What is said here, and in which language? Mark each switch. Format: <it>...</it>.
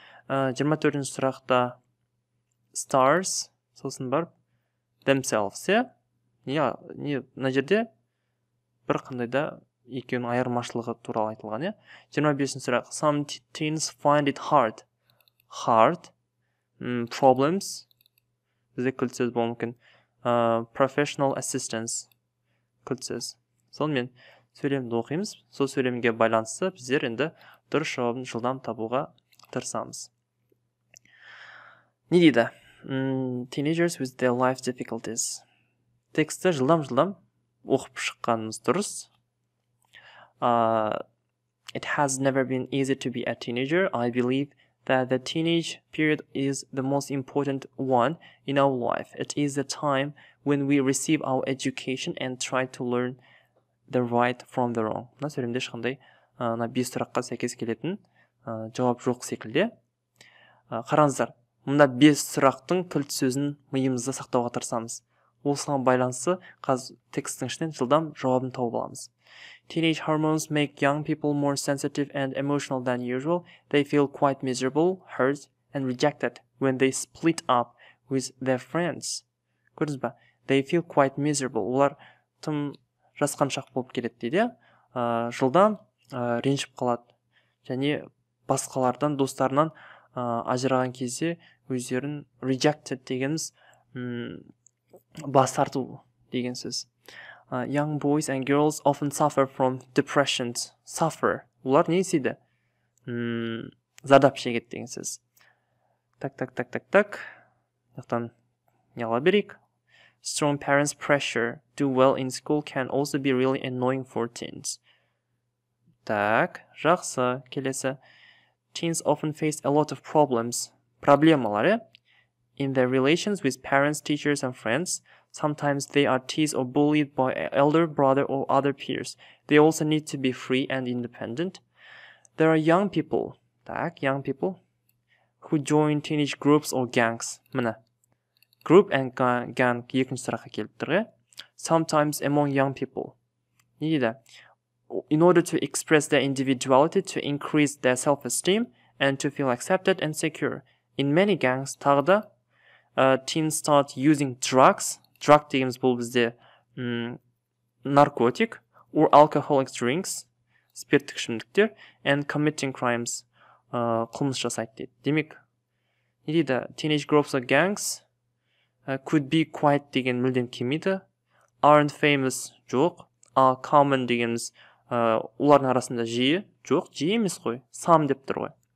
<kk>24-ші сұрақта stars, сосын бар themselves, не мына жерде бір қандайда екеуінің айырмашылығы туралы айтылған, 25-ші сұрақ</kk> <en>some teens find it hard,</en> <kk>problems, бізде кілт сөз болу мүмкін,</kk> <en>professional assistance,</en> <kk>кілт сөз. Сонымен сөйлемді оқимыз, сол сөйлемге байланысты біздер енді дұрыс жауабын жылдам табуға тырысамыз. Не дейді?</kk> <en>Teenagers with their life difficulties.</en> <kk>Тексті жылдам-жылдам оқып шыққанымыз дұрыс.</kk> <en>It has never been easy to be a teenager, I believe, that the teenage period is the most important one in our life. It is the time when we receive our education and try to learn the right from the wrong.</en> <kk>Мына сөйлемде ешқандай ана бес сұраққа сәйкес келетін жауап жоқ секілді. Қараңыздар, мына бес сұрақтың кілт сөзін миымызда сақтауға тырысамыз. Осыған байланысты қаз тексттің ішінен жылдам жауабын тауып аламыз.</kk> <en>Teenage hormones make young people more sensitive and emotional than usual. They feel quite miserable, hurt, and rejected when they split up with their friends.</en> <kk>Көрдіңіз ба?</kk> <en>They feel quite miserable.</en> <kk>Олар тым жасқаншақ болып келеді дейді. Жылдан реншіп қалады. Және басқалардан, достарынан ажыраған кезде өздерін rejected дегеніміз бас тарту деген сөз.</kk> <en>Young boys and girls often suffer from depression.</en> <kk>Suffer. Олар не істейді? Зардап шегеді деген сөз. Так. Жақтан не ала берейік.</kk> <en>Strong parents pressure do well in school can also be really annoying for teens.</en> <kk>Так, жақсы, келесі.</kk> <en>Teens often face a lot of problems. Проблемалар, in their relations with parents, teachers and friends. Sometimes they are teased or bullied by elder brother or other peers. They also need to be free and independent. There are young people, так, young people, who join teenage groups or gangs.</en> <kk>Міне,</kk> <en>group and gang</en> <kk>екінші сұраққа келіп тұр.</kk> <en>Sometimes among young people.</en> <kk>Не дейді?</kk> <en>In order to express their individuality, to increase their self-esteem, and to feel accepted and secure. In many gangs,</en> <kk>тағы да,</kk> <en>teens start using drugs.</en> <kk>Drug дегеніміз бұл бізде наркотик,</kk> <en>or alcoholic drinks,</en> <kk>спирттік ішімдіктер,</kk> <en>and committing crimes,</en> <kk>қылмыс жасайды дейді. Демек, не дейді,</kk> <en>teenage groups or gangs, could be quiet</en> <kk>деген мүлдем кемейді,</kk> <en>aren't famous,</en> <kk>жоқ,</kk> <en>are common</en> <kk>дегеніміз, олардың арасында жиі, жоқ, жиі емес қой, some деп тұр ғой.</kk>